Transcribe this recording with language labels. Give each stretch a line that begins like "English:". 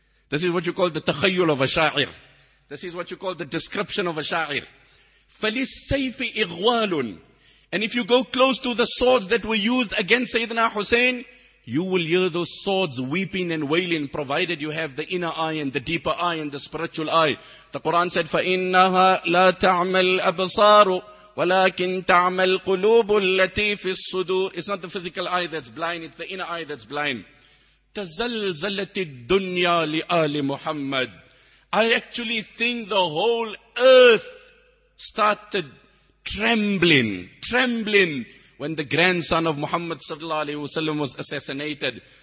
English: This is what you call the takhayyul of a sha'ir. This is what you call the description of a sha'ir.
Arabic: فَلِسَّيْفِ إِغْوَالٌ.
English: And if you go close to the swords that were used against Sayyidina Hussein, you will hear those swords weeping and wailing, provided you have the inner eye and the deeper eye and the spiritual eye. The Quran said,
Arabic: فَإِنَّهَا لَا تَعْمَى الْأَبْصَارُ وَلَكِنْ تَعْمَى الْقُلُوبُ الَّتِي فِي الصُّدُورِ.
English: It's not the physical eye that's blind, it's the inner eye that's blind.
Arabic: تَزَلْزَلَتِ الدُّنْيَا لِآلِ مُحَمَّدٍ.
English: I actually think the whole earth started trembling when the grandson of Muhammad sallallahu alayhi wa sallam was assassinated.